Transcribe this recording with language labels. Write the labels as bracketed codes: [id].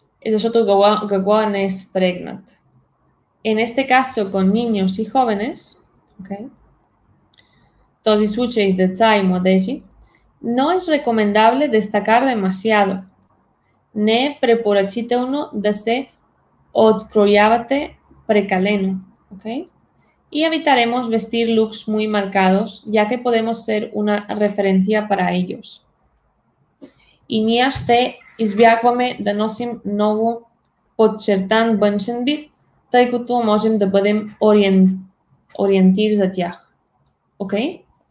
[bg] Защото гъгла не е спрегнат. [es] En este caso, con niños y jóvenes, okay. [bg] Този случай с деца и младежи, [es] no es recomendable destacar demasiado. [bg] Не е препоръчително да се откроявате прекалено. [en] Okay. [es] Y evitaremos vestir looks muy marcados, ya que podemos ser una referencia para ellos. [bg] И ние ще избягваме да носим много подчертан външен вид, тъй като можем да бъдем ориентир за тях. Окей?